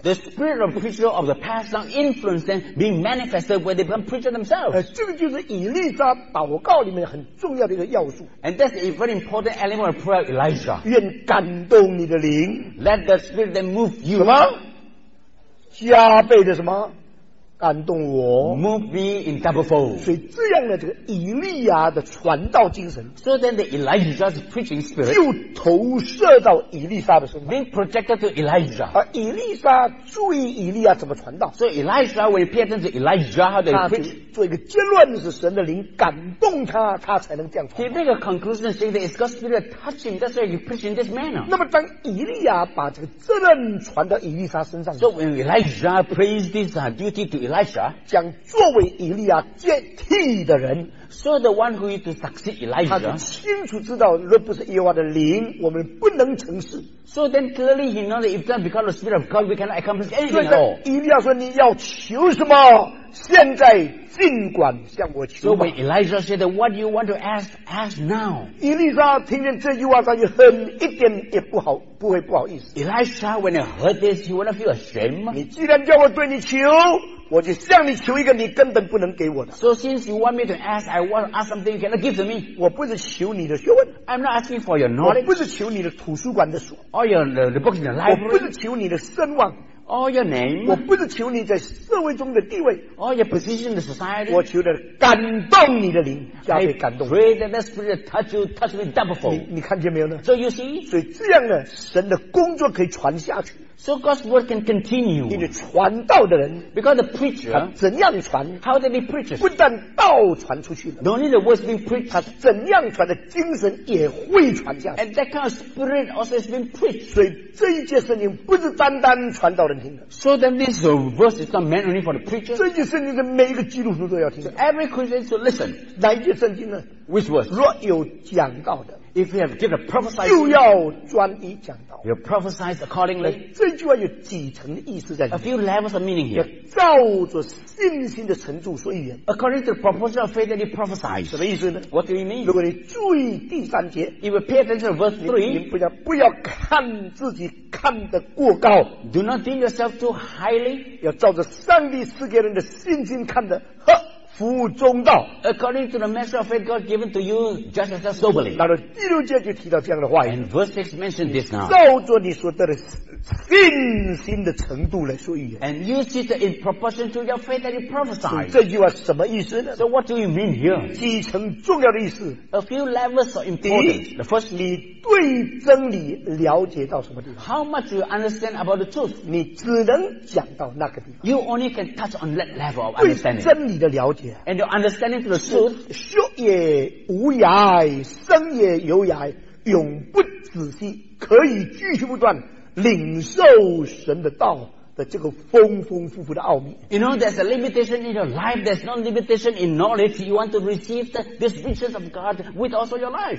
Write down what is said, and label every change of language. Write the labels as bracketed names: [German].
[English] The spirit of preacher of the past now influence them being manifested when they become preacher themselves [Chinese] 这个就是以利沙祷告里面很重要的一个要素 [English] And that's a very important element of prayer Elijah [Chinese] 愿感动你的灵 [English] Let the spirit then move you [Chinese] 什么?加倍的什么感动我 [English] move me in double fold [Chinese] 所以这样的这个以利亚的传道精神 [English] so then the Elijah's preaching spirit [Chinese] 就投射到以利沙的身上 [English] being projected to Elijah [Chinese] 而以利沙注意以利亚怎么传道 [English] so Elijah will pay attention to Elijah how they preach [Chinese] 做一个结论是神的灵感动他才能这样传 [English] he make a conclusion saying that it's God's spirit touching that's why he preach in this manner [Chinese] 那么当以利亚把这个责任传到以利沙身上 [English] so when Elijah praised this duty to Elisha [Chinese] 将作为以利亚接替的人 [English] So the one who is to succeed Elijah [Chinese] 他就清楚知道若不是耶和华的灵我们不能成事 [English] So then clearly he knows that if not because of the spirit of God we cannot accomplish anything at all [Chinese] 所以以利亚说你要求什么 现在尽管向我求吧 [English] So when Elijah said what do you want to ask ask now [Chinese] 以利亚听见这句话他就很一点也不好不会不好意思 [English] Elisha when he heard this he wouldn't feel ashamed [Chinese] 你既然叫我对你求我就向你求一个你根本不能给我的。 [English] So since you want me to ask, I want to ask something you cannot give to me. [Chinese] 我不是求你的学问。 [English] I'm not asking for your knowledge. [Chinese] 我不是求你的图书馆的书。 [English] Or the books in the library. [Chinese] 我不是求你的声望。 [English] Or your name. [Chinese] 我不是求你在社会中的地位。 [English] Or your position in the society. [Chinese] 我求的感动你的灵，加倍感动。 [English] I pray that the spirit touch you, touch me double fold. [Chinese] 你看见没有呢？ [English] So you see. [Chinese] 所以这样呢，神的工作可以传下去。 [English] So God's word can continue. [Chinese] 因为传道的人 [English] because the preacher [Chinese] 他怎样传 [English] how they be preached [Chinese] 不但道传出去了 [English] not only the word's been preached [Chinese] 他怎样传的精神也会传下去 [English] and that kind of spirit also has been preached. [Chinese] 所以这一节圣经不是单单传道人听的 [English] So then this verse is not meant only for the preacher. [Chinese] 这一节圣经是每一个基督徒都要听的 [English] Every Christian should listen. [Chinese] 哪一节圣经呢 [English] Which verse [Chinese] 若有讲道的 [English] If you have given a prophecy, [Chinese] 就要专一讲道。 [English] You prophesy accordingly. [Chinese] 这句话有几层的意思在里面 [English] ？A few levels of meaning here. [Chinese] 要照着信心的程度说预言。 [English] According to the proportion of faith that you prophesy. [Chinese] 什么意思呢 [English] ？What do you mean? [Chinese] 如果你注意第三节 [English] ，If you pay attention to verse 3, [Chinese] 你不要看自己看得过高。 [English] Do not think yourself too highly. [Chinese] 要照着上帝赐给人的信心看得呵。服务中道 [English] according to the measure of faith God given to you judge yourself soberly [Chinese] 那么第六节就提到这样的话 [English] and verse 6 mentioned this now [Chinese] 照着你所得的信心的程度来说预言 [English] and you see it in proportion to your faith that you prophesy [Chinese] 这句话什么意思呢 [English] so what do you mean here [Chinese] 几层重要的意思 [English] a few levels are important the first [Chinese] 你对真理了解到什么地方 [English] how much you understand about the truth [Chinese] 你只能讲到那个地方 [English] you only can touch on that level of understanding [Chinese] 对真理的了解 [English] And your understanding to the truth, [Chinese] 修也无涯，生也有涯，永不止息，可以继续不断领受神的道的这个丰丰富富的奥秘。 [English] You know, there's a limitation in your life. There's no limitation in knowledge. You want to receive this riches of God with also your life.